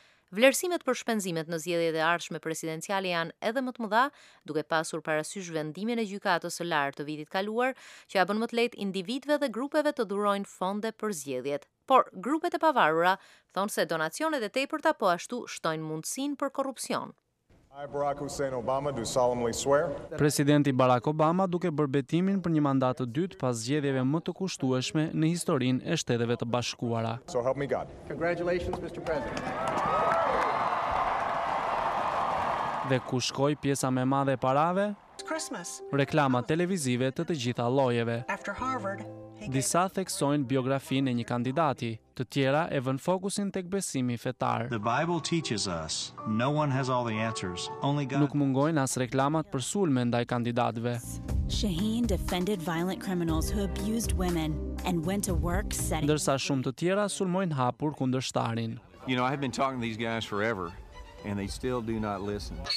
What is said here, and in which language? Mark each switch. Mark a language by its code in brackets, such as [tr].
[sq] Vlerësimet për shpenzimet në zgjedhjet e ardhshme presidenciale janë edhe më të mëdha, duke pasur parasysh vendimin e gjykatës së lartë të vitit kaluar, që ia bën më të lehtë individëve dhe grupeve të dhurojnë fonde për zgjedhjet. Por grupet e pavarura thonë se donacionet e tepërta po ashtu shtojnë mundësinë për korrupsion. [en] I Barack Hussein Obama do solemnly swear. [sq] Presidenti Barack Obama duke bërë betimin për një mandat të dytë pas zgjedhjeve më të kushtueshme në historinë e Shteteve të Bashkuara. [en] So help me God. Congratulations Mr. President. [sq] Dhe ku shkoi pjesa më e madhe e parave? [en] Christmas. [sq] Reklama televizive të gjitha llojeve. [en] After Harvard, [sq] disa theksojnë biografinë e një kandidati, të tjera e vënë fokusin tek besimi fetar. [en] The Bible teaches us no one has all the answers, only God. [sq] Nuk mungojnë as reklamat për sulme ndaj kandidatëve. [en] Shaheen defended violent criminals who abused women and went to work setting. [sq] Ndërsa shumë të tjera sulmojnë hapur kundërshtarin. [en] You know, I have been talking to these guys forever and they still do not listen.